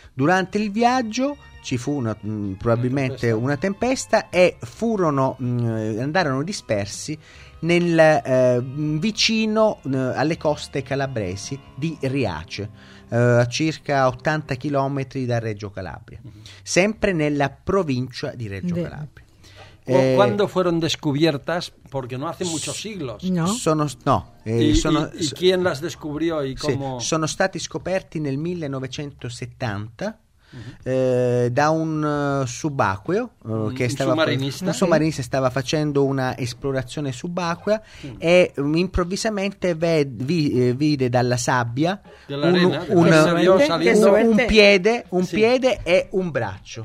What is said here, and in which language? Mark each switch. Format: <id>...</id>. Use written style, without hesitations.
<it>Durante il viaggio ci fu una tempesta e andarono dispersi vicino alle coste calabresi di Riace, a circa 80 chilometri da Reggio Calabria, sempre nella provincia di Reggio Calabria.</it> <es>Quando fueron descubiertas, porque no hace muchos siglos. No. ¿Y quién las descubrió y cómo?</es> <it>Sí, sono stati scoperti nel 1970 da un subacqueo che stava</it> <es>un submarinista</es> <it>stava facendo una esplorazione subacquea e improvvisamente vide dalla sabbia un piede e un braccio</it>